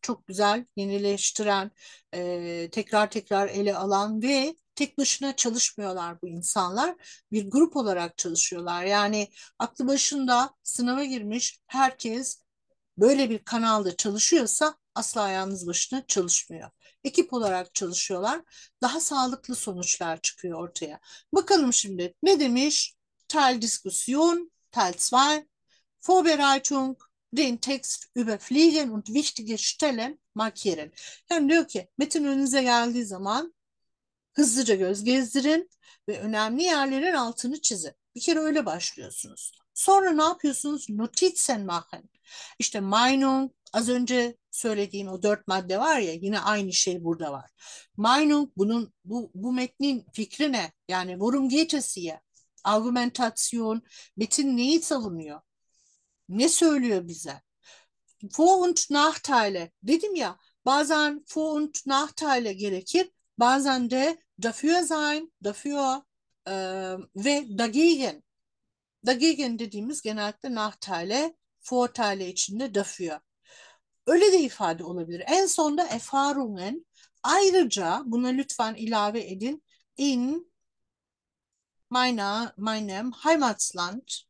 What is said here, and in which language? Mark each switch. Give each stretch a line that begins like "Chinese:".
Turkish: Çok güzel yenileştiren, tekrar tekrar ele alan ve tek başına çalışmıyorlar bu insanlar. Bir grup olarak çalışıyorlar. Yani aklı başında sınava girmiş herkes böyle bir kanalda çalışıyorsa asla yalnız başına çalışmıyor. Ekip olarak çalışıyorlar. Daha sağlıklı sonuçlar çıkıyor ortaya. Bakalım şimdi ne demiş?
German: Tel diskusyon, tel zwei, Vorbereitung, den Text überfliegen und wichtige Stellen markieren.
Turkish: Yani diyor ki metin önünüze geldiği zaman hızlıca göz gezdirin ve önemli yerlerin altını çizin. Bir kere öyle başlıyorsunuz. Sonra ne yapıyorsunuz? Notizen machen. İşte Meinung, az önce söylediğim o dört madde var ya yine aynı şey burada var. Meinung bunun bu metnin fikri ne? Yani
German: Worum geht es hier?
Turkish: Argumentation, metin neyi savunuyor? Ne söylüyor bize? Vor- und Nachteile dedim ya bazen Vor- und Nachteile gerekir. Bazen de
German: dafür sein,
Turkish: dafür ve dagegen. Dagegen dediğimiz genellikle Nachteile, Vorteile içinde dafür. Öyle de ifade olabilir. En sonda Erfahrungen. Ayrıca buna lütfen ilave edin.
German: In meinem Heimatland.